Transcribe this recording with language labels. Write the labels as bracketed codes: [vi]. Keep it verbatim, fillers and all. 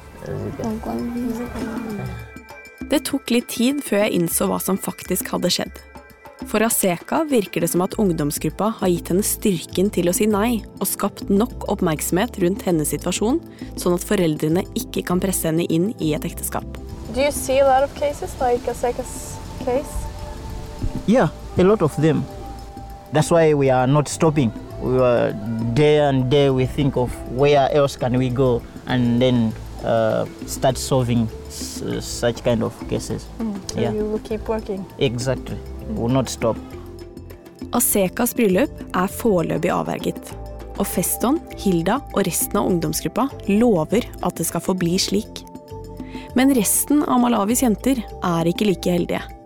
[no] Det tok litt tid før jeg innså hva som faktisk hadde skjedd. For Aseka virker det som at ungdomsgruppa har gitt henne styrken til å si nei, og skapt nok oppmerksomhet rundt hennes situasjon, sånn at foreldrene ikke kan presse henne inn I et ekteskap. [en] Do you see a lot of cases, like Aseka's case? Yeah, a lot of them. That's why we are not stopping. We are day and day we think of where else can we go and then uh, start solving s- such kind of cases. Mm, so yeah. You will keep working? Exactly. We will not stop. [no] Asekas bryllup er foreløpig avverget, og Feston, Hilda og resten av ungdomsgruppa lover at det skal forbli slik. Men resten av Malawis jenter er ikke like heldige.